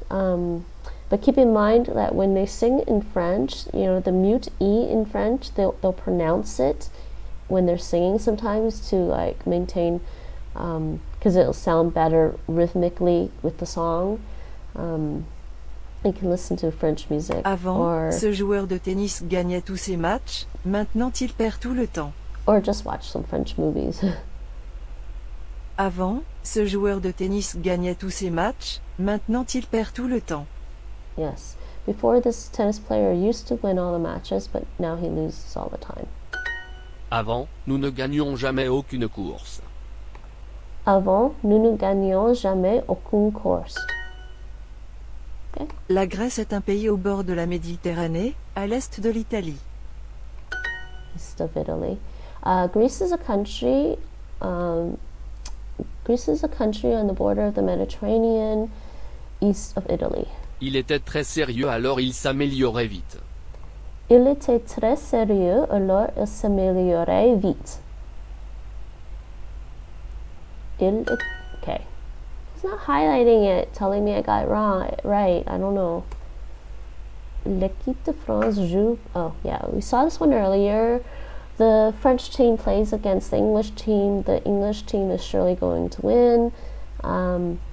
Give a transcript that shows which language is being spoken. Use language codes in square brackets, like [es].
[en] But keep in mind that when they sing in French, the mute E in French, they'll pronounce it when they're singing sometimes to like maintain, because it'll sound better rhythmically with the song. You can listen to French music [fr] Avant, ce joueur de tennis gagnait tous ses matchs, maintenant il perd tout le temps. [en] or just watch some French movies. [fr] Avant, ce joueur de tennis gagnait tous ses matchs, maintenant il perd tout le temps. [en] Yes. Before, this tennis player used to win all the matches, but now he loses all the time. [fr] Avant, nous ne gagnions jamais aucune course. Avant, nous ne gagnions jamais aucune course. La Grèce est un pays au bord de la Méditerranée, à l'est de l'Italie. [en] East of Italy. Greece is a country on the border of the Mediterranean, east of Italy. [fr] Il était très sérieux, alors il s'améliorait vite. Il était très sérieux, alors il s'améliorait vite. [en] Okay. He's not highlighting it, telling me I got it wrong. Right, I don't know. [fr] L'équipe de France joue. [en] Oh, yeah, we saw this one earlier. The French team plays against the English team. The English team is surely going to win.